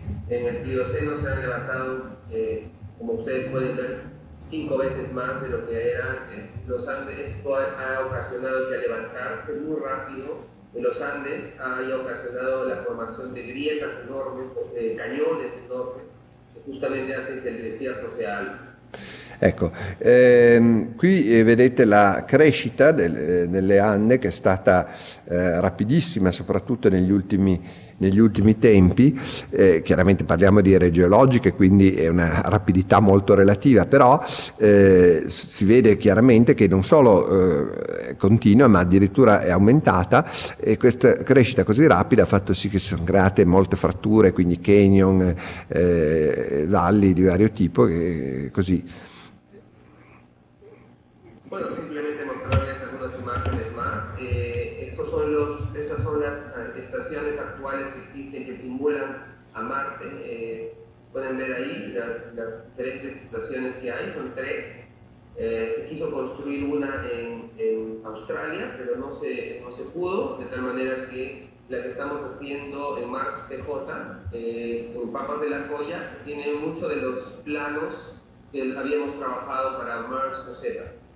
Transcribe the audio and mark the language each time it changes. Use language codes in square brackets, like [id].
[es] En el Plioceno se han levantado, como ustedes pueden ver, cinco veces más de lo que eran los Andes. Esto ha ocasionado que al levantarse muy rápido de los Andes haya ocasionado la formación de grietas enormes, cañones enormes, que justamente hacen que el desierto sea alto. [it] Ecco, qui vedete la crescita delle Ande, che è stata rapidissima, soprattutto negli ultimi tempi. Chiaramente parliamo di ere geologiche, quindi è una rapidità molto relativa, però si vede chiaramente che non solo continua, ma addirittura è aumentata, e questa crescita così rapida ha fatto sì che si sono create molte fratture, quindi canyon, valli di vario tipo, e così. [es] Bueno, simplemente mostrarles algunas imágenes más. Estas son las estaciones actuales que existen, que simulan a Marte. Pueden ver ahí las diferentes estaciones que hay, son tres. Se quiso construir una en Australia, pero no se pudo, de tal manera que la que estamos haciendo en Mars PJ, en Papas de la Joya, tiene muchos de los planos que habíamos trabajado para Mars Rosetta.